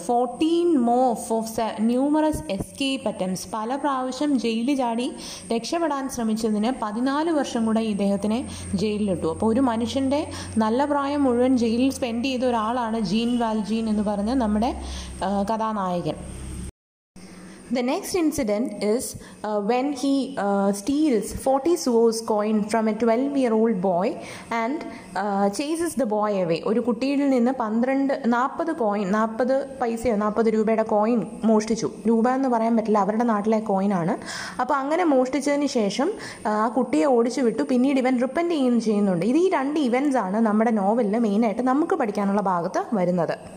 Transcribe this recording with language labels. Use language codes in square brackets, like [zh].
[en] 14 more of numerous escape attempts, [ml] പല പ്രാവശ്യം ജയിലിൽ ചാടി രക്ഷപ്പെടാൻ ശ്രമിച്ചതിന് 14 വർഷം കൂടെ ഇദ്ദേഹത്തിനെ ജയിലിലിട്ടു. അപ്പോൾ ഒരു മനുഷ്യൻ്റെ നല്ല പ്രായം മുഴുവൻ ജയിലിൽ സ്പെൻഡ് ചെയ്ത ഒരാളാണ് ജീൻ വാൽജീൻ എന്ന് പറഞ്ഞ നമ്മുടെ കഥാനായകൻ. [en] The next incident is when he steals 40 sous coin from a 12-year-old boy and chases the boy away. [ml] ഒരു കുട്ടിയിൽ നിന്ന് 40 രൂപയുടെ കോയിൻ മോഷ്ടിച്ചു. രൂപ എന്ന് പറയാൻ പറ്റില്ല, അവരുടെ നാട്ടിലെ കോയിനാണ്. അപ്പോൾ അങ്ങനെ മോഷ്ടിച്ചതിന് ശേഷം ആ കുട്ടിയെ ഓടിച്ചു വിട്ടു. പിന്നീട് ഇവൻ റിപ്പൻറ്റ് ചെയ്യുകയും ചെയ്യുന്നുണ്ട്. ഇത് ഈ രണ്ട് ഇവൻസ് ആണ് നമ്മുടെ നോവലിൽ മെയിനായിട്ട് നമുക്ക് പഠിക്കാനുള്ള ഭാഗത്ത് വരുന്നത്.